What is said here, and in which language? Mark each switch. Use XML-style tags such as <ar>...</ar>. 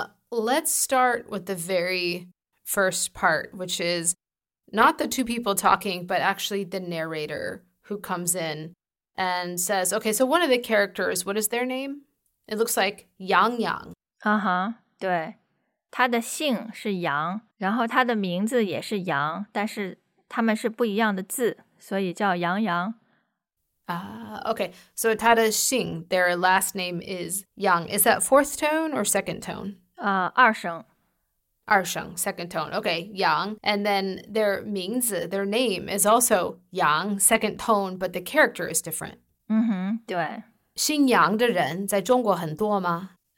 <en>Let's start with the very first part, which is not the two people talking, but actually the narrator who comes in and says, okay, so one of the characters, what is their name? It looks like Yang Yang.</en> <zh>Uh-huh, 对。他的姓是杨，然后他的名字也是杨，但是他们是不一样的字，所以叫杨杨。 Okay, so 他的姓, their last name is Yang.</zh> <en>Is that fourth tone or second tone?</en> <zh>二声,</zh> <en>second tone. Okay, Yang. And then their 名字, their name is also Yang, second tone, but the character is different.</en> <zh>嗯哼，对。姓杨的人在中国很多吗？</zh>